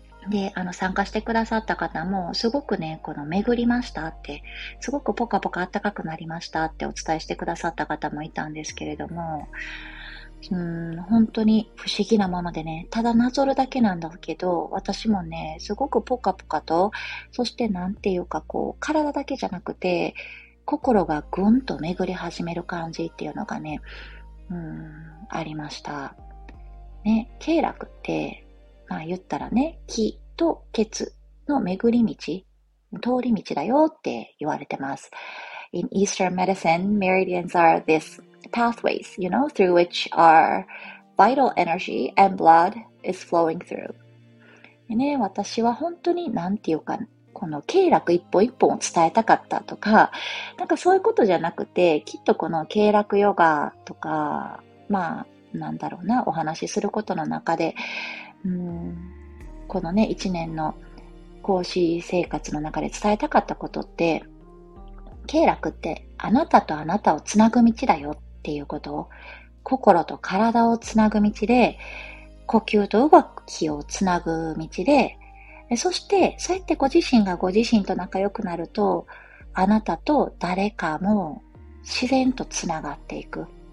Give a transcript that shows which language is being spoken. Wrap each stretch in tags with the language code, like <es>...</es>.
<ja>で、参加してくださった方も、すごくね、この巡りましたって、すごくポカポカ暖かくなりましたってお伝えしてくださった方もいたんですけれども、本当に不思議なものでね、ただなぞるだけなんだけど、私もね、すごくポカポカと、そしてなんていうかこう、体だけじゃなくて、心がぐんと巡り始める感じっていうのがね、ありました。ね、経絡って、まあ言ったらね、気と血の巡り道、通り道だよって言われてます。</ja> <en>In Eastern medicine, meridians are these pathways, you know, through which our vital energy and blood is flowing through.</en> <ja>ね、私は本当になんていうか、この経絡一本一本を伝えたかったとか、なんかそういうことじゃなくて、きっとこの経絡ヨガとか、まあなんだろうな、お話しすることの中で、このね、一年の講師生活の中で伝えたかったことって、経絡ってあなたとあなたをつなぐ道だよっていうことを、心と体をつなぐ道で、呼吸と動きをつなぐ道で、そしてそうやってご自身がご自身と仲良くなると、あなたと誰かも自然とつながっていく。</ja>